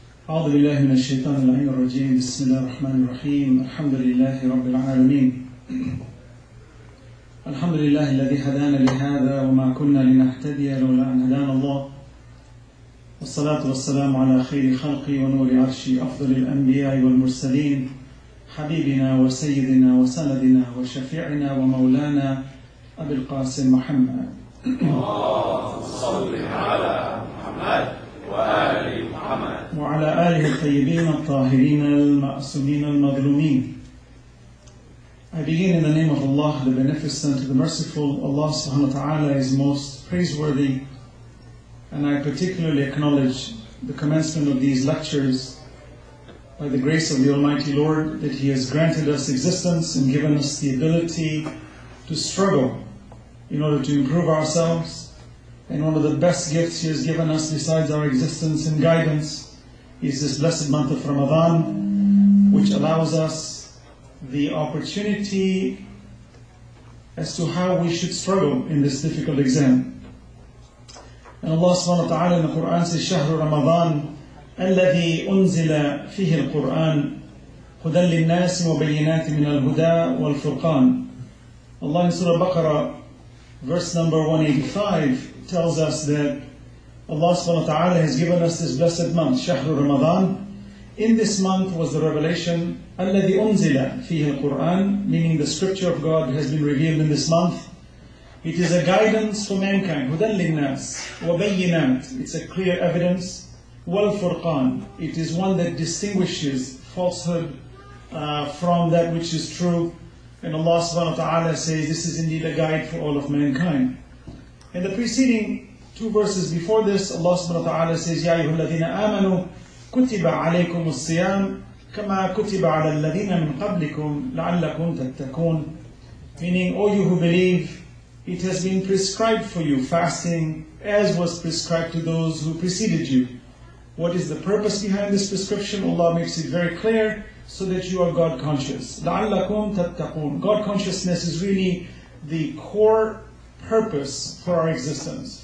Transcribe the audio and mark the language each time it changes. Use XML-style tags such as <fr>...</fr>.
<ar>أعوذ بالله من الشيطان الرجيم بسم الله الرحمن الرحيم الحمد لله رب العالمين الحمد لله الذي هدانا لهذا وما كنا لنهتدي لولا أن هدانا الله والصلاة والسلام على خير خلقي ونور عرشي أفضل الأنبياء والمرسلين حبيبنا وسيدنا وسندنا وشفيعنا ومولانا أبي القاسم محمد صل على محمد وآل محمد وعلى آله الطيبين الطاهرين المعصومين المظلومين.</ar> <en>I begin in the name of Allah, the Beneficent, the Merciful. Allah subhanahu wa ta'ala is most praiseworthy. And I particularly acknowledge the commencement of these lectures by the grace of the Almighty Lord that He has granted us existence and given us the ability to struggle in order to improve ourselves. And one of the best gifts He has given us besides our existence and guidance is this blessed month of Ramadan, which allows us the opportunity as to how we should struggle in this difficult exam. And Allah subhanahu wa ta'ala in the Quran says,</en> <ar>شهر رمضان الذي أنزل فيه القرآن هدى للناس وبينات من الهدى والفرقان.</ar> <en>Allah in Surah Baqarah, verse number 185, tells us that Allah subhanahu wa ta'ala has given us this blessed month, شهر رمضان. In this month was the revelation,</en> <ar>الذي أنزل فيه القرآن,</ar> <en>meaning the scripture of God has been revealed in this month. It is a guidance for mankind,</en> <ar>هدى للناس وبينات,</ar> <en>it's a clear evidence,</en> <ar>والفرقان,</ar> <en>it is one that distinguishes falsehood from that which is true. And Allah subhanahu wa ta'ala says, this is indeed a guide for all of mankind. In the preceding two verses before this, Allah subhanahu wa ta'ala says,</en> <ar>يَا أَيُّهُ الَّذِينَ آمَنُوا كُتِبَ عَلَيْكُمُ الصِّيَامُ كَمَا كُتِبَ عَلَى الَّذِينَ مِنْ قَبْلِكُمْ لَعَلَّكُمْ تَتَّقُونَ.</ar> <en>Meaning, O you who believe, it has been prescribed for you fasting as was prescribed to those who preceded you. What is the purpose behind this prescription? Allah makes it very clear, so that you are God conscious.</en> <ar>لَعَلَّكُمْ تَتَّقُونَ.</ar> <en>God consciousness is really the core purpose for our existence.</en>